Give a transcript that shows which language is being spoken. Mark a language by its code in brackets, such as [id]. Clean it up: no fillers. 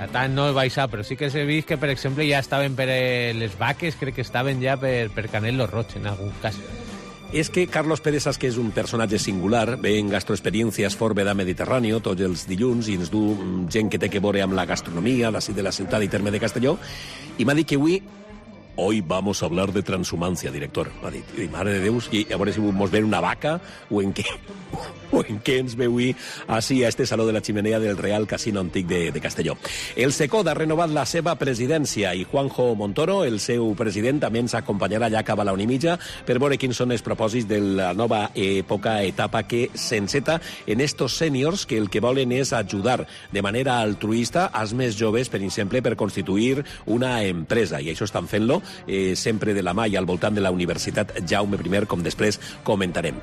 [ca] tant no he baixat, però sí que he vist que, per exemple, ja estaven per les vaques, crec que estaven ja per Canelo Roig, en algun cas. És que Carlos Pérez, saps que és un personatge singular, ve en Gastroexperiències Forbe de Mediterrani tots els dilluns i ens du gent que té que veure amb la gastronomia d'ací de la ciutat i terme de Castelló, i m'ha dit que avui... [es] Hoy vamos a hablar de transhumancia, director. [ca] Va dir, mare de Déus, i a veure si mos ven una vaca o en què ens veu i així a este Saló de la Ximenea del Real Casino Antic de Castelló. El SECOD ha renovat la seva presidència i Juanjo Montoro, el seu president, també ens acompanyarà allà cap a la 1:30 per veure quins són els propòsits de la nova època, etapa que s'enceta en estos sèniors que el que volen és ajudar de manera altruista als més joves, per exemple, per constituir una empresa. I això estan fent-lo sempre de la mà i al voltant de la Universitat Jaume I, com després comentarem.